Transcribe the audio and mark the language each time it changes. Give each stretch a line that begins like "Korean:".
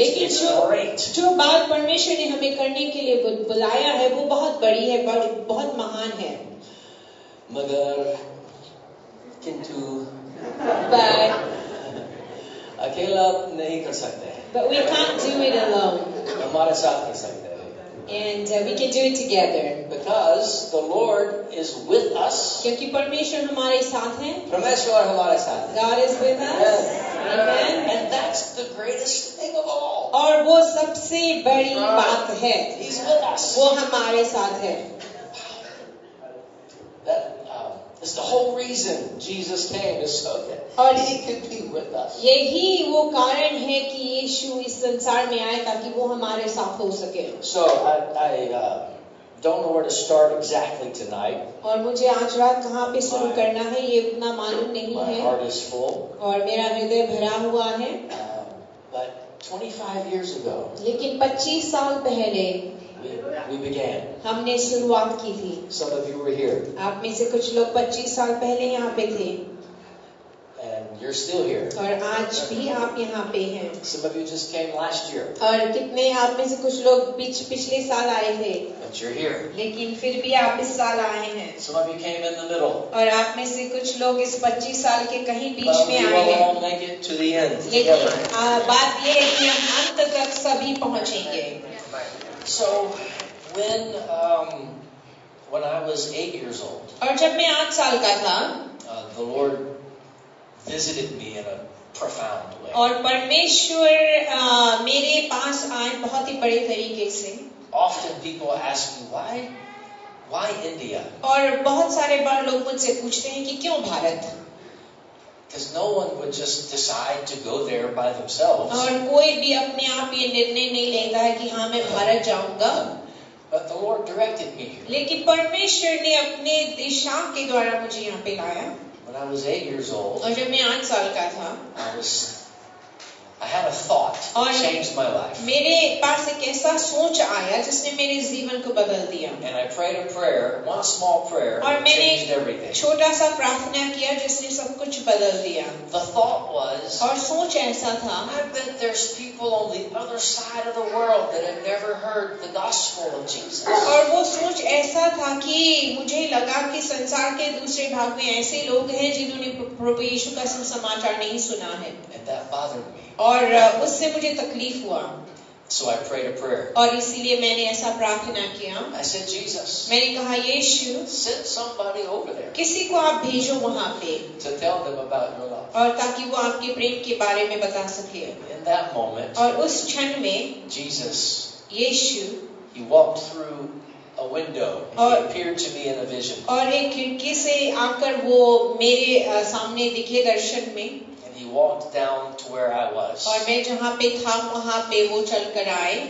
Hindi: लेकिन जो बात परमेश्वर ने हमें करने के लिए बुलाया है वो बहुत बड़ी है बहुत महान है मगर किंतु अकेला नहीं कर सकते
English: But we can't do it alone.
Hindi: हमारे साथ कर सकते हैं
English: And we can do it together. Because the Lord is with us.
Hindi: क्योंकि परमेश्वर हमारे साथ हैं. परमेश्वर हमारे साथ हैं.
English: God is with us. Yes. Amen. And that's the greatest thing of all.
Hindi: और वो सबसे बड़ी बात है.
English: He's with us.
Hindi: वो हमारे साथ हैं.
English: It's the whole reason Jesus came is so that he could be with us.
Hindi: यही वो कारण है कि यीशु इस संसार में आए ताकि वो हमारे साथ हो सके.
English: So I don't know where to start exactly tonight.
Hindi: और मुझे आज रात कहाँ पे शुरू करना है ये उतना मालूम नहीं है.
English: My heart is full.
Hindi: और मेरा हृदय भरा हुआ है.
English: But 25 years ago.
Hindi: लेकिन 25 साल पहले.
English: We began.
Hindi: हमने शुरुआत की थी.
English: Some of you were here.
Hindi: आप में से कुछ लोग 25 साल पहले यहाँ पे थे.
English: And you're still here.
Hindi: और आज भी आप यहाँ पे हैं.
English: Some of you just came last year.
Hindi: और कितने आप में से कुछ लोग पिछले साल आए थे.
English: But you're here.
Hindi: लेकिन फिर भी आप इस साल आए हैं.
English: Some of you came in the middle.
Hindi: और आप में से कुछ लोग इस 25 साल के कहीं बीच में आए हैं.
English: But we all make it to the end.
Hindi: लेकिन बात ये है कि हम अंत तक सभी पहुँचेंगे.
English: So when I was 8 years old,
Hindi: और जब मैं 8 साल का था,
English: the Lord visited me in a profound way.
Hindi: और परमेश्वर मेरे पास आए बहुत ही बड़े तरीके से.
English: Often people ask me why India?
Hindi: और बहुत सारे बार लोग मुझसे पूछते हैं कि क्यों Bharat?
English: Because no one would just decide to go there by themselves.
Hindi: और कोई भी अपने आप ये निर्णय नहीं लेता है कि हाँ मैं भारत जाऊँगा.
English: But the Lord directed me.
Hindi: लेकिन परमेश्वर ने अपने दिशा के द्वारा मुझे यहाँ पे लाया.
English: When I was 8 years old.
Hindi: और जब मैं 8 साल का था.
English: I had a thought that changed my life.
Hindi: मेरे पास एक ऐसा सोच आया जिसने मेरे जीवन को बदल दिया.
English: And I prayed a prayer, one small prayer,
Hindi: और
English: changed everything.
Hindi: छोटा सा प्रार्थना किया जिसने सब कुछ बदल दिया.
English: The thought was.
Hindi: और सोच ऐसा था.
English: I bet there's people on the other side of the world that have never heard the gospel of Jesus.
Hindi: और वो सोच ऐसा था कि मुझे लगा कि संसार के दूसरे भाग में ऐसे लोग हैं जिन्होंने प्रभु यीशु का सुसमाचार नहीं सुना है.
English: And that bothered me.
Hindi: और उससे मुझे तकलीफ हुआ.
English: So I prayed a prayer.
Hindi: और इसीलिए मैंने ऐसा प्रार्थना किया.
English: I said, Jesus,
Hindi: मैंने कहा यीशु,
English: send somebody over there.
Hindi: किसी को आप भेजो वहाँ पे.
English: To tell them about your love.
Hindi: और ताकि वो आपके प्रेम के बारे में बता सके.
English: In that moment,
Hindi: और उस क्षण में
English: Jesus,
Hindi: Yeshu,
English: he walked through a window and he appeared to me in a vision.
Hindi: और एक खिड़की से आकर वो मेरे सामने दिखे दर्शन में.
English: He walked down to where I was.
Hindi: और मैं जहाँ पे था वहाँ पे वो चल कर आए.